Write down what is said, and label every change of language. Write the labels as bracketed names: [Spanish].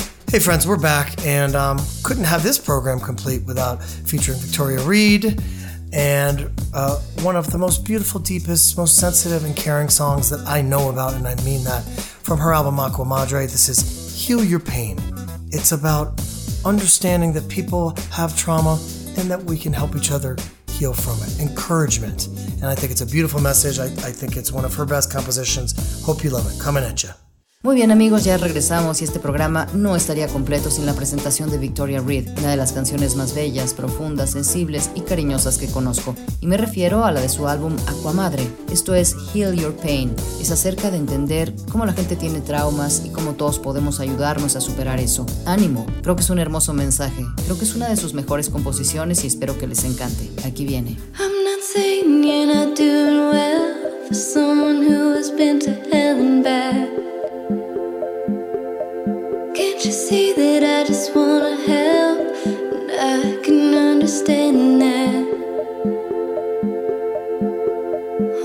[English] Hey friends, we're back, and couldn't have this program complete without featuring Victoria Reed and one of the most beautiful, deepest, most sensitive and caring songs that I know about, and I mean that, from her album Aqua Madre. This is Heal Your Pain. It's about understanding that people have trauma and that we can help each other heal from it. Encouragement. And I think it's a beautiful message. I think it's one of her best compositions. Hope you love it. Coming at you. [Spanish] Muy bien amigos, ya regresamos y este programa no estaría completo sin la presentación de Victoria Reed, una de las canciones más bellas, profundas, sensibles y cariñosas que conozco. Y me refiero a la de su álbum Aqua Madre. Esto es Heal Your Pain. Es acerca de entender cómo la gente tiene traumas y cómo todos podemos ayudarnos a superar eso. Ánimo, creo que es un hermoso mensaje. Creo que es una de sus mejores composiciones y espero que les encante. Aquí viene. [English] I'm not saying you're not doing well for someone who has been to hell and back. See that I just wanna help, and I can understand that.